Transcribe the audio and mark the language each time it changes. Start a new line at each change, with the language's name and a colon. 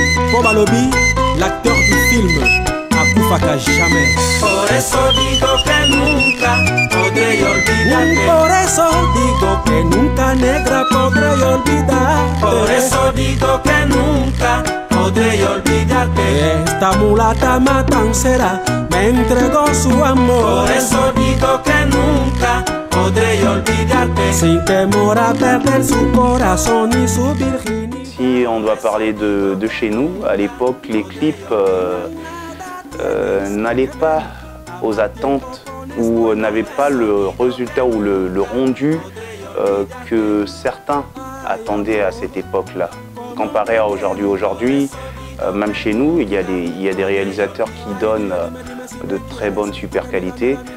French: Poba Lobby, l'acteur du film, Akufa Kajame.
Spanish: Por eso digo que nunca podré yo olvidarte. Por eso digo que nunca, negra, podré yo olvidarte. Por eso digo que nunca podré yo olvidarte. Esta mulata matancera me entregó su amor. Por eso digo que nunca podré yo olvidarte. Sin temor a perder su corazón y su virginidad.
French: Si on doit parler de chez nous, à l'époque, les clips n'allaient pas aux attentes ou n'avaient pas le résultat ou le rendu que certains attendaient à cette époque-là. Comparé à aujourd'hui, même chez nous, il y a des réalisateurs qui donnent de très bonnes super qualités.